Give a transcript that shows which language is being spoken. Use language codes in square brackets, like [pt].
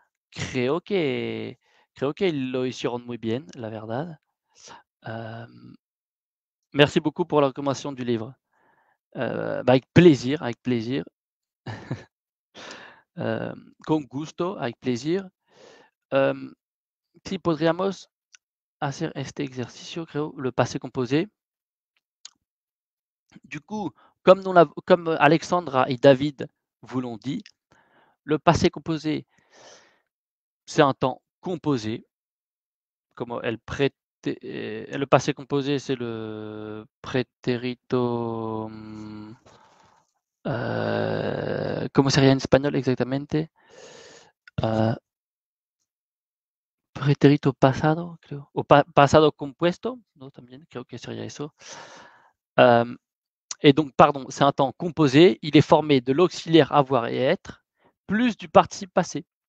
[es] Creo que lo hicieron muy bien, la verdad. [fr] Merci beaucoup pour la recommandation du livre. Avec plaisir, avec plaisir. [es] con gusto, [fr] avec plaisir. [es] Si podríamos hacer este ejercicio, creo, le passé composé. [fr] Du coup, comme Alexandra et David vous l'ont dit, le passé composé. C'est un temps composé. Comme le passé composé, c'est le pretérito. Comment c'est rien en espagnol exactement? [es] Pretérito pasado, creo. O pa pasado compuesto. No, también, creo que sería eso. [fr] Et donc, pardon, c'est un temps composé. Il est formé de l'auxiliaire avoir et être, plus du participe passé.